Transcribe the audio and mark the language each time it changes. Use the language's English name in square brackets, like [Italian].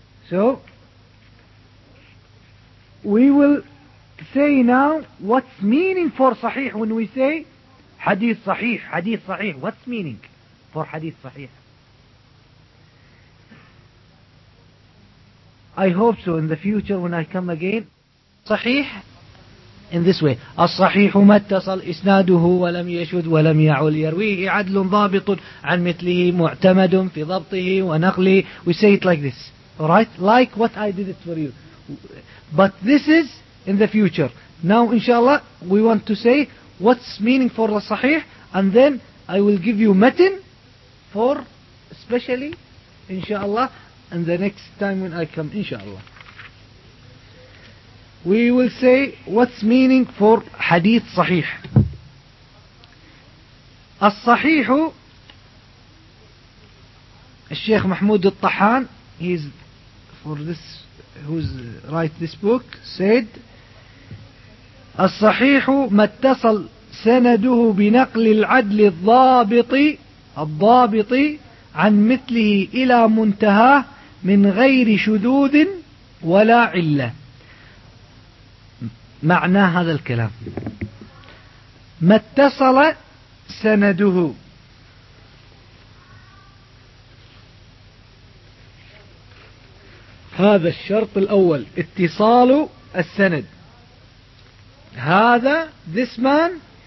[English] So we will say now what's meaning for صحيح when we say Hadith sahih, hadith sahih. What's meaning for hadith sahih? I hope so in the future when I come again. Sahih in this way. [Arabic] الصحيح ما اتصل إسناده ولم يشد ولم يعول يرويه عدل ضابط عن مثله معتمد في ضبطه ونقله. [English] We say it like this. Alright? Like what I did it for you. But this is in the future. Now inshallah we want to say what's meaning for the sahih, and then I will give you matin for especially inshallah and the next time when I come inshallah. we will say what's meaning for hadith sahih. [Arabic] الصحيح الشيخ محمود الطحان [English] he's for this who's write this book said [Arabic] الصحيح ما اتصل سنده بنقل العدل الضابط عن مثله إلى منتهى من غير شذوذ ولا علة. معنى هذا الكلام ما اتصل سنده هذا الشرط الأول اتصال السند هذا [English] this man